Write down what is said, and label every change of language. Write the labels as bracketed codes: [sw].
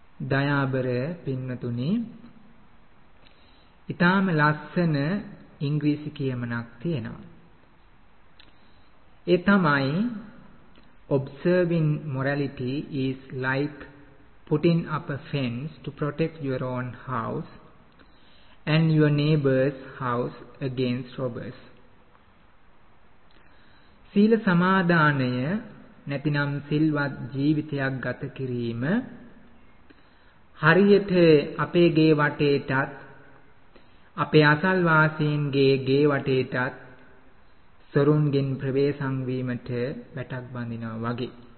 [si] දයාබර පින්නතුනි ඉතාම ලස්සන ඉංග්‍රීසි කියමනක් තියෙනවා. ඒ තමයි [en] observing morality is like putting up a fence to protect your own house and your neighbor's house against robbers. [si] සීල සමාදානය නැතිනම් සිල්වත් ජීවිතයක් ගත කිරීම හරියට අපේ ගේ වටේටත් අපේ අසල්වාසීන්ගේ ගේ වටේටත් සරුන්ගෙන් ප්‍රවේශම් වීමට වැටක් බඳිනවා වගේ.